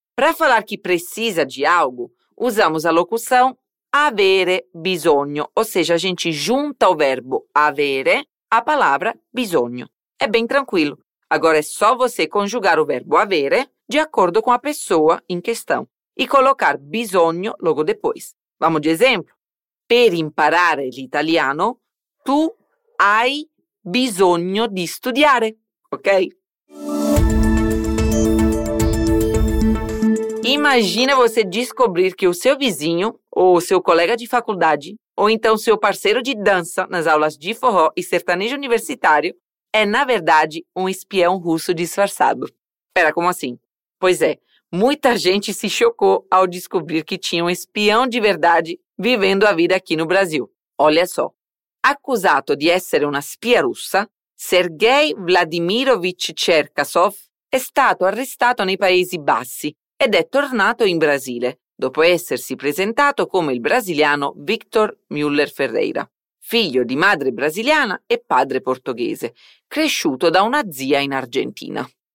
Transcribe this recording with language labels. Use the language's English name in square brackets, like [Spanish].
[Portuguese] Para falar que precisa de algo, usamos a locução avere bisogno, ou seja, a gente junta o verbo avere à palavra bisogno. É bem tranquilo. Agora é só você conjugar o verbo avere de acordo com a pessoa em questão e colocar bisogno logo depois. Vamos de exemplo? [Italian] Per imparare l'italiano, tu hai bisogno di studiare. [Portuguese] Ok? Imagina você descobrir que o seu vizinho, ou seu colega de faculdade, ou então seu parceiro de dança nas aulas de forró e sertanejo universitário é, na verdade, espião russo disfarçado. Pera, como assim? Pois é, muita gente se chocou ao descobrir que tinha espião de verdade vivendo a vida aqui no Brasil. Olha só. Acusado de [Italian] essere uma espia russa, Sergei Vladimirovich Cherkasov è stato arrestato nei Paesi Bassi ed è tornato in Brasile, dopo essersi presentato come il brasiliano Victor Müller Ferreira, figlio di madre brasiliana e padre portoghese, cresciuto da una zia in Argentina.